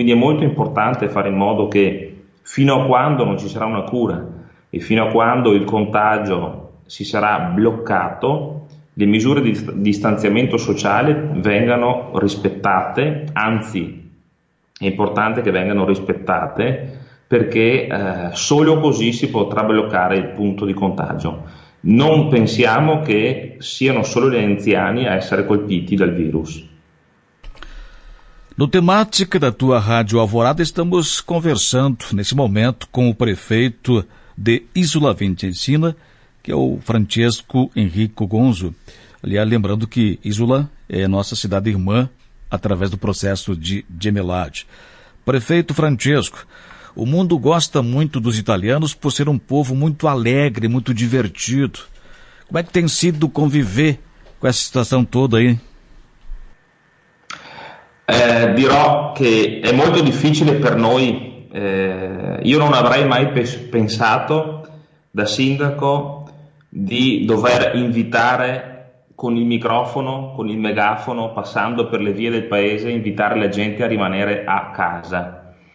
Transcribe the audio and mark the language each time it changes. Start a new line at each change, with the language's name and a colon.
Italian: Quindi è molto importante fare in modo che, fino a quando non ci sarà una cura e fino a quando il contagio si sarà bloccato, le misure di distanziamento sociale vengano rispettate, anzi è importante che vengano rispettate, perché solo così si potrà bloccare il punto di contagio. Non pensiamo che siano solo gli anziani a essere colpiti dal virus.
Portuguese: No temática da tua Rádio Alvorada, estamos conversando nesse momento com o prefeito de Isola Vicentina, que é o Francesco Enrico Gonzo. Aliás, lembrando que Isola é nossa cidade irmã através do processo de gemelagem. Prefeito Francesco, o mundo gosta muito dos italianos por ser um povo muito alegre, muito divertido. Como é que tem sido conviver com essa situação toda aí?
Italian: Dirò che è molto difficile per noi. Io non avrei mai pensato da sindaco di dover invitare con il microfono, con il megafono, passando per le vie del paese, invitare la gente a rimanere a casa.